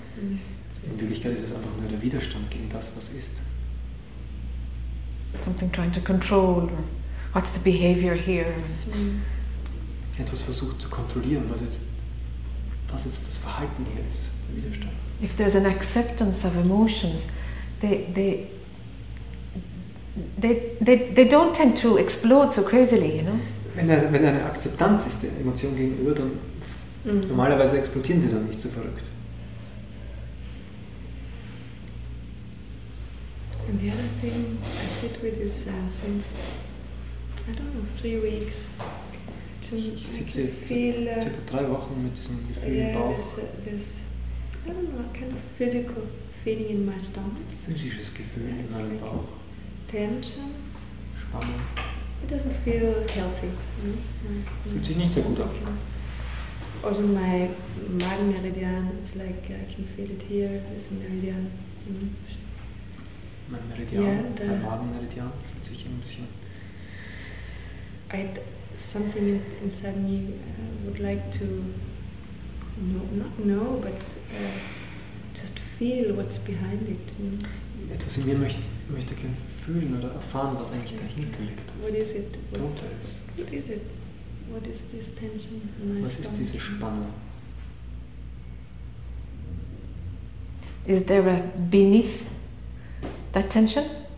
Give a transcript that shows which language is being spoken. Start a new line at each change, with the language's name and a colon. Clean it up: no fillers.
German: In Wirklichkeit ist es einfach nur der Widerstand gegen das, was ist.
English: Something trying to control. What's the behavior here?
German: Etwas versucht zu kontrollieren, was jetzt das Verhalten hier ist, der Widerstand.
English: If there's an acceptance of emotions, they don't tend to explode so crazily, you know?
German: Wenn eine Akzeptanz ist der Emotion gegenüber, dann normalerweise explodieren sie dann nicht so verrückt.
English: And the other thing I sit with is since I don't know, 3 weeks.
German: Ich sitze jetzt circa 3 Wochen mit diesem Gefühl im Bauch.
English: There's I don't know, a kind of physical feeling in my stomach.
German: Physisches Gefühl in meinem
English: like
German: Bauch.
English: Tension.
German: Spannung.
English: It doesn't feel healthy.
German: Fühlt sich nicht sehr gut an.
English: Also my Magenmeridian, it's like I can feel it here, this Meridian.
German: Mein Meridian, mein Magenmeridian fühlt sich ein bisschen.
English: I had something inside me would like to know, not know, but just feel what's behind it.
German: Etwas in mir möchte gerne fühlen oder erfahren, was eigentlich dahinter liegt.
English: What is it? What is it? What is this tension in my stomach?
German: Was ist diese Spannung?
English: Is there a beneath that tension?